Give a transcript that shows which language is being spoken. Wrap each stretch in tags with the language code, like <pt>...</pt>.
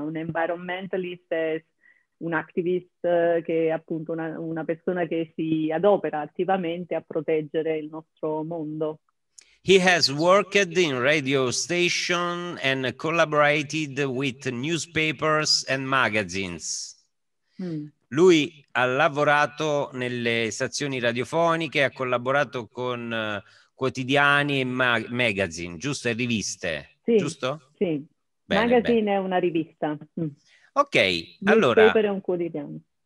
<it>Un environmentalist è un activist che è appunto una persona che si adopera attivamente a proteggere il nostro mondo.</it> <en>He has worked in radio station and collaborated with newspapers and magazines.</en> <it>Lui ha lavorato nelle stazioni radiofoniche, ha collaborato con quotidiani e magazine, giusto? E riviste, sì, giusto? Sì, bene, magazine bene. È una rivista. Ok, allora... Newspaper è un quotidiano.</it>